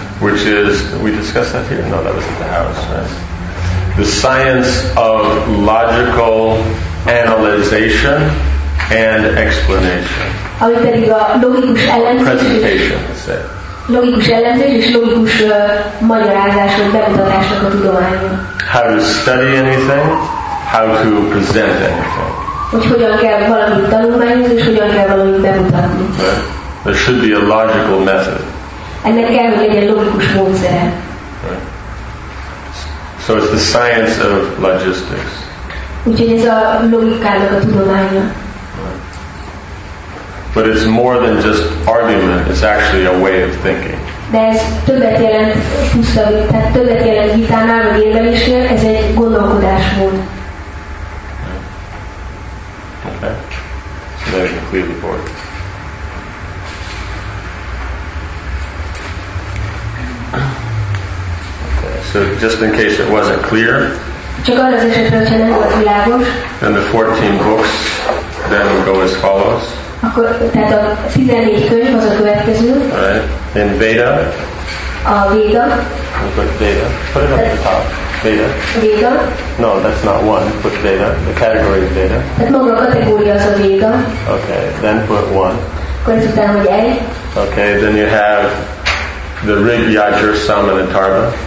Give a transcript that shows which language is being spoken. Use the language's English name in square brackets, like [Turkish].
[English] Which is, we discussed that here? No, that was at the house, right? The science of logical analyzation and explanation. [Hungarian] Amit pedig a logikus ellenzés. [English] Presentation, let's say. [Hungarian] Logikus ellenzés és logikus magyarázás vagy bemutatásnak a tudománya. [English] How to study anything, how to present anything. [Hungarian] Hogy hogyan kell valamit tanulmányozni, és hogyan kell valamit bemutatni. [English] Right. There should be a logical method. [Hungarian] Ennek kell, hogy legyen logikus módszere. [English] Right. So it's the science of logistics. [Hungarian] Úgyhogy ez a logikának a tudománya. [English] But it's more than just argument, it's actually a way of thinking. [Hungarian] De ez többet jelent pusztabb, tehát többet jelent vitánál, vagy érvelésnél, ez egy gondolkodásmód. [English] Okay. So there you can clear the board. Okay. So just in case it wasn't clear, then the 14 books then will go as follows. [Hungarian] Akkor, tehát a 14 könyv az a következő. [English] All right. Then Veda. A Veda. Put Veda. Put it up the top. Veda. Veda. No, that's not one. Put Veda. The category of Veda. [Hungarian] Tehát maga a kategória az a Veda. [English] Okay. Then put one. [Hungarian] Akkor ez után, hogy egy. [English] Okay. Then you have the Rig Yajur Sama and Atharva.